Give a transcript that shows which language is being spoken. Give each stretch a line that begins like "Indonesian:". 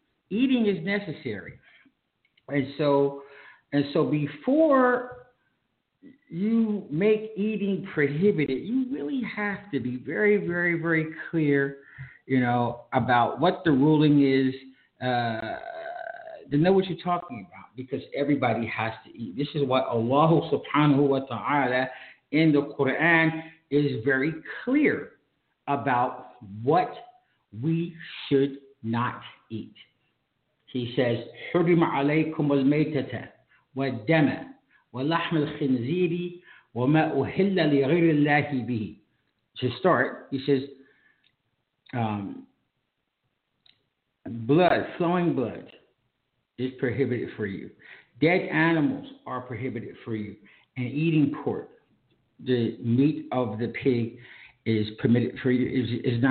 English: Eating is necessary, and so before you make eating prohibited, you really have to be very, very, very clear, you know, about what the ruling is, to know what you're talking about, because everybody has to eat. This is what Allah subhanahu wa ta'ala in the Quran is very clear about what we should not eat. He says,
Arabic: حُرِّمَ عَلَيْكُمُ الْمَيْتَةَ وَالدَّمَ وَلَحْمَ الْخِنْزِيرِ وَمَا أُهِلَّ لِغِيرِ اللَّهِ بِهِ.
English: To start, he says, blood, flowing blood, is prohibited for you. Dead animals are prohibited for you. And eating pork, the meat of the pig, is permitted for you.